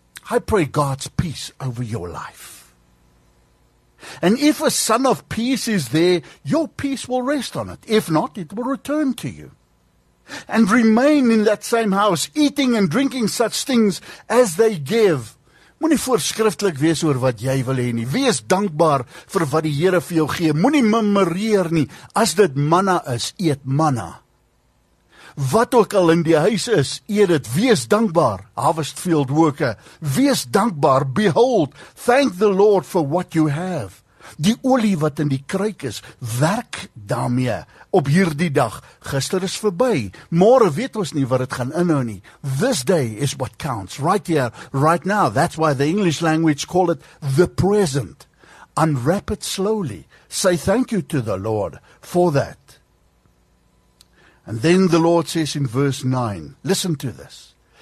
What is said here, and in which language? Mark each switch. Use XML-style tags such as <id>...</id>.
<en>I pray God's peace over your life. And if a son of peace is there, your peace will rest on it. If not, it will return to you. And remain in that same house, eating and drinking such things as they give.</en> <af>Moenie voorskriftelik wees oor wat jy wil hê nie. Wees dankbaar vir wat die Here vir jou gee. Moenie murmureer nie. As dit manna is, eet manna. Wat ook al in die huis is, eet dit. Wees dankbaar,</af> <en>harvest field worker.</en> <af>Wees dankbaar,</af> <en>behold, thank the Lord for what you have.</en> <af>Die olie wat in die kruik is, werk daarmee op hierdie dag. Gister is verby, môre weet ons nie wat dit gaan inhou nie.</af> <en>This day is what counts, right here, right now. That's why the English language call it the present. Unwrap it slowly. Say thank you to the Lord for that. And then the Lord says in verse 9, listen to this.</en>